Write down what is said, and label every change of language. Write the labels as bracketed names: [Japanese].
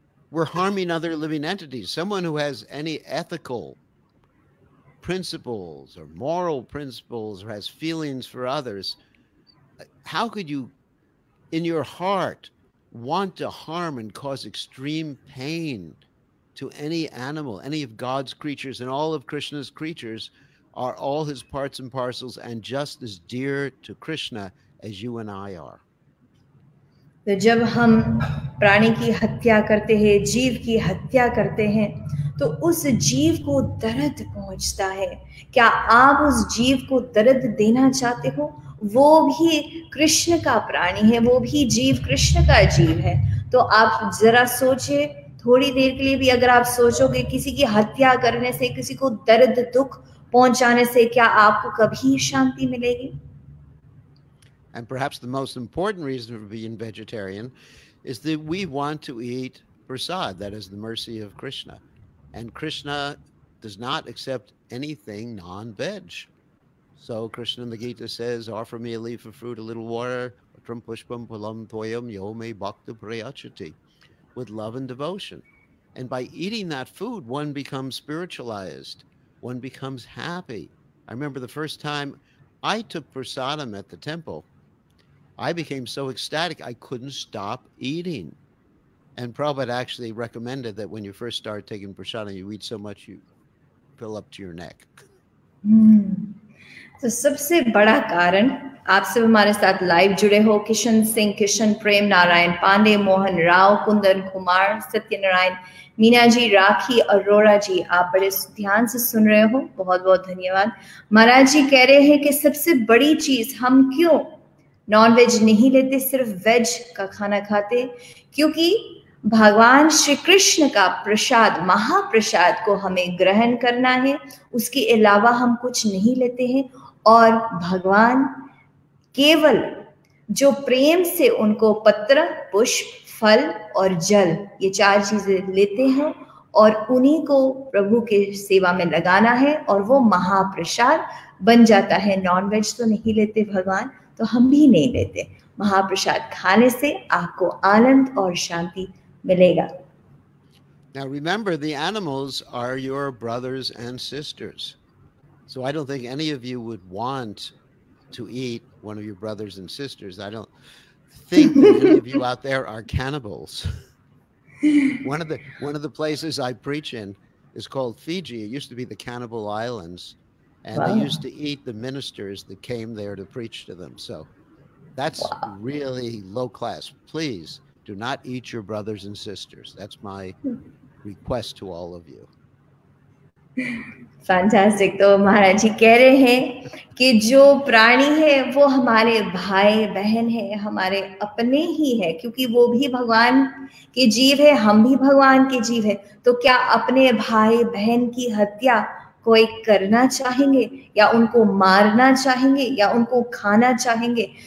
[English] We're harming other living entities. Someone who has any ethical principles or moral principles or has feelings for others, how could you, in your heart, want to harm and cause extreme pain to any animal, any of God's creatures and all of Krishna's creatures are all his parts and parcels and just as dear to Krishna as you and I are. [Hindi] तो जब हम प्राणी की हत्या करते हैं, जीव की हत्या करते हैं, तो उस जीव को दर्द पहुंचता है। क्या आप उस जीव को दर्द देना चाहते हो? वो भी कृष्ण का प्राणी है, वो भी जीव कृष्ण का जीव है। तो आप जरा सोचे, थोड़ी देर के लिए भी अगर आप सोचोगे किसी की हत्या करने से, किसी को दर्द दुख पहुंचाने से, क्या आपको कभी शांति मिलेगी? [English] And perhaps the most important reason for being vegetarian is that we want to eat prasad, that is the mercy of Krishna. And Krishna does not accept anything non-veg. So Krishna in the Gita says, offer me a leaf of fruit, a little water, [Sanskrit] trum pushpam palam toyam yome bhakta prayachati, [English] with love and devotion. And by eating that food, one becomes spiritualized, one becomes happy. I remember the first time I took prasadam at the temple, I became so ecstatic, I couldn't stop eating. And Prabhupada actually recommended that when you first start taking prasadam, you eat so much, you fill up to your neck. [Hindi] तो सबसे बड़ा कारण आप सब हमारे साथ live जुड़े हो, किशन सिंह, किशन प्रेम, नारायण पांडे, मोहन राव, कुंदन कुमार, सत्य नारायण, मीना जी, राखी, अरोरा जी, आप बड़े ध्यान से सुन रहे हो, बहुत बहुत धन्यवाद। महाराज जी कह रहे हैं कि सबसे बड़ी चीज, हम क्यों नॉन वेज नहीं लेते, सिर्फ वेज का खाना खाते, क्योंकि भगवान श्री कृष्ण का प्रसाद, महाप्रसाद को हमें ग्रहण करना है, उसके अलावा हम कुछ नहीं लेते हैं। और भगवान केवल जो प्रेम से उनको पत्र, पुष्प, फल और जल, ये चार चीजें लेते हैं और उन्हीं को प्रभु के सेवा में लगाना है और वो महाप्रसाद बन जाता है। नॉन वेज तो नहीं लेते भगवान, तो हम भी नहीं लेते। महाप्रसाद खाने से आपको आनंद और शांति मिलेगा। [English] Now remember, the animals are your brothers and sisters. So I don't think any of you would want to eat one of your brothers and sisters. I don't think that any of you out there are cannibals. One of the places I preach in is called Fiji. It used to be the Cannibal Islands, and wow, they used to eat the ministers that came there to preach to them. So that's wow, really low class. Please do not eat your brothers and sisters. That's my request to all of you. Fantastic. [Hindi] तो महाराज जी कह रहे हैं कि जो प्राणी है वो हमारे भाई बहन है, हमारे अपने ही है, क्योंकि वो भी भगवान के जीव है, हम भी भगवान के जीव है। तो क्या अपने भाई बहन की हत्या कोई करना चाहेंगे, या उनको मारना चाहेंगे, या उनको खाना चाहेंगे?